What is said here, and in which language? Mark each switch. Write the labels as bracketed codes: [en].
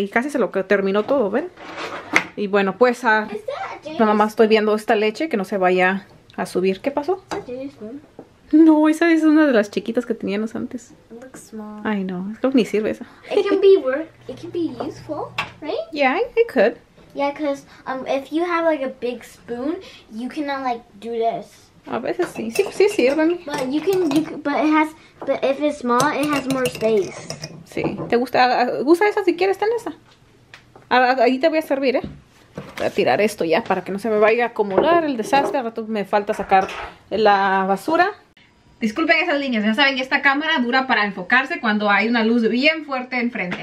[es] Y casi se lo terminó todo, ¿ven? Y bueno, pues a la mamá estoy viendo esta leche que no se vaya a subir. ¿Qué pasó? No, esa es una de las chiquitas que teníamos antes. Ay, no, creo que ni sirve esa. [en] It can be work. It can be useful, right? Yeah, it could. Yeah, because if you have like a big spoon, you cannot like do this. [es] A veces sí, sí sirven. [en] But you can, but it has, but if it's small, it has more space. [es] Sí, te gusta, usa esa si quieres, ten esa. Ahí te voy a servir, ¿eh? Voy a tirar esto ya para que no se me vaya a acumular el desastre. Al rato me falta sacar la basura. Disculpen esas líneas, ya saben, esta cámara dura para enfocarse cuando hay una luz bien fuerte enfrente.